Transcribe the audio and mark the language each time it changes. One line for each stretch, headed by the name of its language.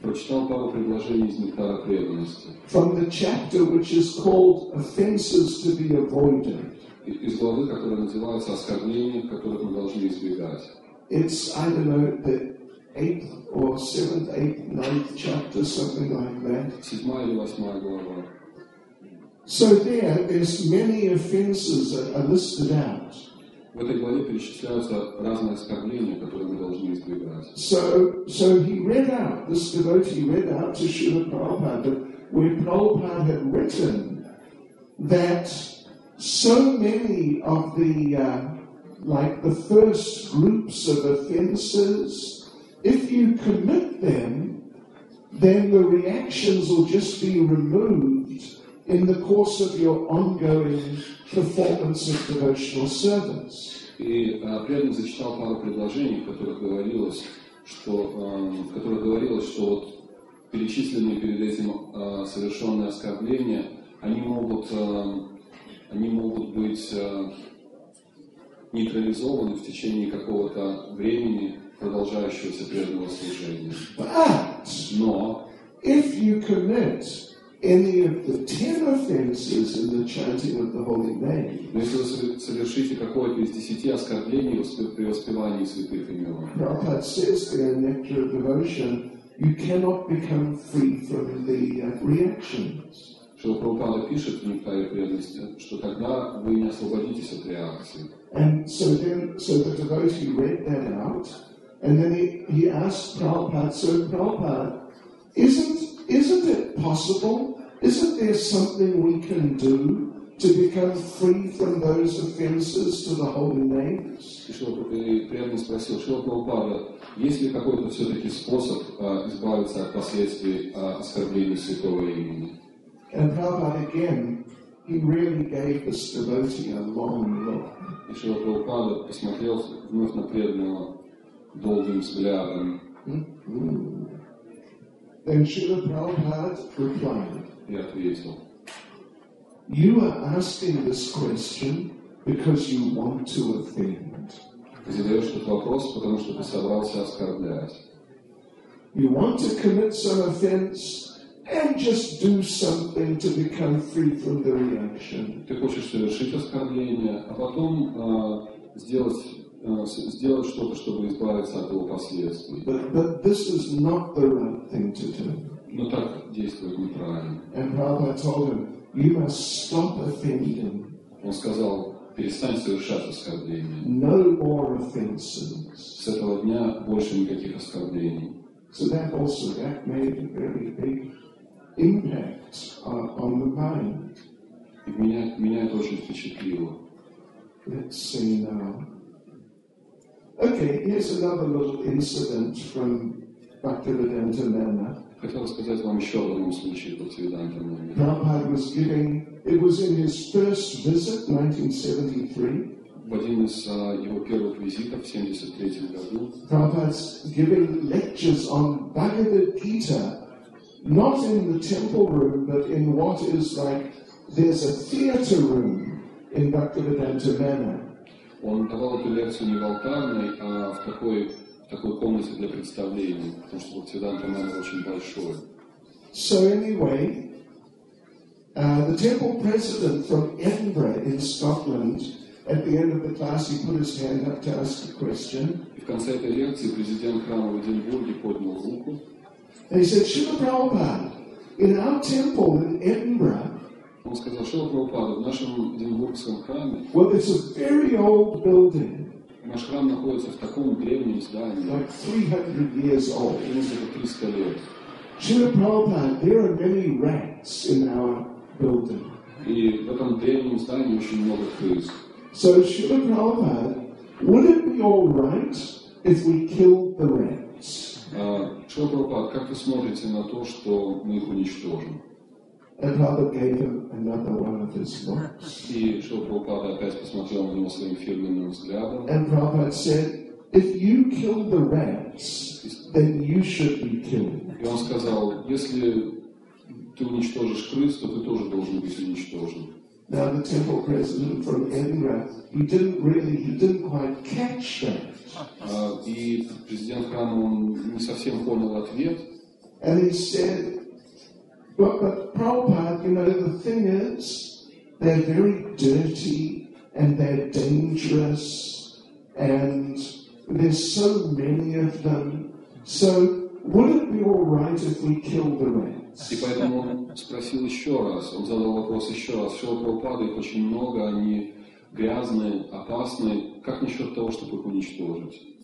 Russian: Прочитал пару предложений из Нектара преданности.
English: From the chapter which is called Offenses to be Avoided.
Russian: Из главы, которая называется «Оскорбления, которых мы должны избегать».
English: It's, I don't know, the 8th or 7th, 8th, 9th chapter, something like that.
Russian: Седьмая или восьмая глава.
English: So there's many offenses that are listed out.
Russian: В этой главе перечисляются разные оскорбления, которые мы должны избегать.
English: So he read out, this devotee read out to Srila Prabhupada, where Prabhupada had written that so many of the like the first groups of offenses, if you commit them, then the reactions will just be removed in the course of your ongoing performance of devotional service.
Russian: И преданный зачитал пару предложений, в которых говорилось, что вот перечисленные перед этим совершенные оскорбления, они могут быть нейтрализованы в течение какого-то времени продолжающегося преданного служения.
English: But
Russian: но
English: if you commit any of the 10 offenses in the chanting of the holy name,
Russian: если вы совершите какое-то из 10 оскорблений при воспевании святых имен,
English: Prabhupada says there in Nectar of Devotion, you cannot become free from the reactions.
Russian: Что Прабхупада пишет в Нектаре преданности, что тогда вы не освободитесь от реакции.
English: And so then, so the devotee read that out, and then he asked Prabhupada, so Prabhupada, Isn't it possible? Isn't there something we can do to become free from those offenses to the holy names? And Prabhupada again, he really gave this devotee a long look.
Russian: И Шрила Прабхупада посмотрел вновь на преданного долгим взглядом.
English: Then Shrila Prabhupada replied,
Russian: и ответил,
English: you are asking this question because you want to offend.
Russian: Ты задаешь этот вопрос, потому что ты собрался оскорблять.
English: You want to commit some offense and just do something to become free from the reaction.
Russian: Ты хочешь совершить оскорбление, а потом сделать что-то, чтобы избавиться от его последствий.
English: But this is not the right thing to do.
Russian: Но так действовать неправильно.
English: And Prabhupada told him, you must stop offending.
Russian: Он сказал, перестань совершать оскорбление.
English: No more offenses.
Russian: С этого дня больше никаких оскорблений.
English: So that also, that made a very big impact on the mind.
Russian: Меня это очень впечатлило.
English: Let's see now. Okay, here's another little incident from Bhaktivedanta Nanda.
Russian: Хотел сказать вам еще об одном случае Бхактивиданта Нанда.
English: Prabhupada was giving, it was in his first visit, 1973.
Russian: В один из его первых визитов в 73 году.
English: Prabhupada's giving lectures on Bhagavad Gita. Not in the temple room, but in what is like, there's a theater room in Bhaktivedanta Manor.
Russian: Он давал эту лекцию не в алтарной, а в такой комнате для представления, потому что Бхактивиданта Манор очень большой.
English: So anyway, the temple president from Edinburgh in Scotland, at the end of the class, he put his hand up to ask a question.
Russian: И в конце этой лекции президент храма в Эдинбурге поднял руку.
English: And he said, Shiva Prabhupada, in our temple in Edinburgh, well, it's a very old building.
Russian: Наш храм находится в таком древнем здании.
English: Like 300 years old.
Russian: Ему уже 300 лет.
English: Shiva Prabhupada, there are many rats in our building.
Russian: И в этом древнем здании очень много крыс.
English: So Shiva Prabhupada, would it be all right if we killed the rats?
Russian: Шрила Прабхупада, как вы смотрите на то, что мы их уничтожим? И Шрила Прабхупада опять посмотрел на него своим фирменным взглядом.
English: And Prabhupada said, if you kill the rats, then you should be killed.
Russian: И он сказал, если ты уничтожишь крыс, то ты тоже должен быть уничтожен.
English: Now the temple president from Edinburgh, he didn't quite catch that.
Russian: И президент храма, он не совсем понял ответ.
English: And he said, but Prabhupada, you know, the thing is, they're very dirty and they're dangerous and there's so many of them. So would it be all right if we kill the rats?
Russian: И поэтому он спросил еще раз, он задал вопрос еще раз, Шрила Прабхупада, их очень много, они грязные, опасные, как насчет того, чтобы их уничтожить?